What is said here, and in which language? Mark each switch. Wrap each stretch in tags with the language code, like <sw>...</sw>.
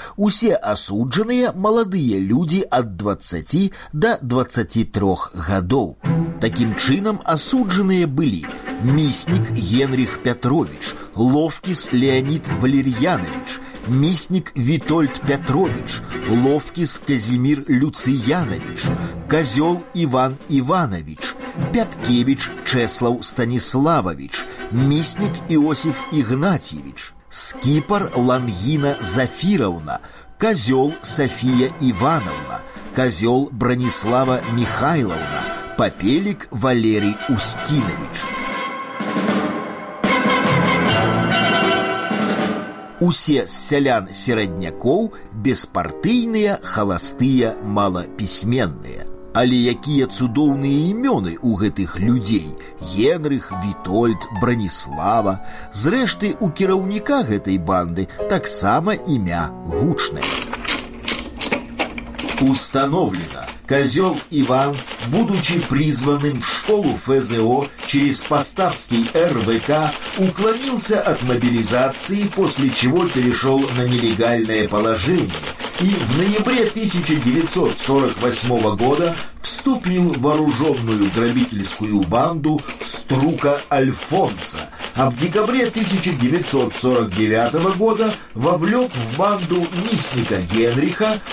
<be>Усе осуджаныя маладыя людзі ад 20 до 23 гадоў. Таким чынам осуджаныя былі Мисник Генрих Петрович, Ловкіс Леонид Валерьянович, Мисник Витольд Петрович, Ловкіс Казимир Люциянович,</be> <ru>Козел Иван Иванович, Пяткевич Чеслав Станиславович, Мисник Иосиф Игнатьевич, Скипор Лангина Зафировна, Козел София Ивановна, Козел Бронислава Михайловна, Попелик Валерий Устинович.</ru> <be>Усе з сялян сераднякоў, беспартыйныя, халастыя, малапісьменныя. Але якія цудоўныя імёны ў гэтых людзей: Генрых, Вітольд, Браніслава. Зрэшты, у кіраўніка гэтай банды таксама імя гучнае.</be> <ru>Установлено. Козел Иван, будучи призванным в школу ФЗО через Поставский РВК, уклонился от мобилизации, после чего перешел на нелегальное положение и в ноябре 1948 года вступил в вооруженную грабительскую банду Струка Альфонса, а в декабре 1949 года вовлек в банду Мисника Генриха,</ru>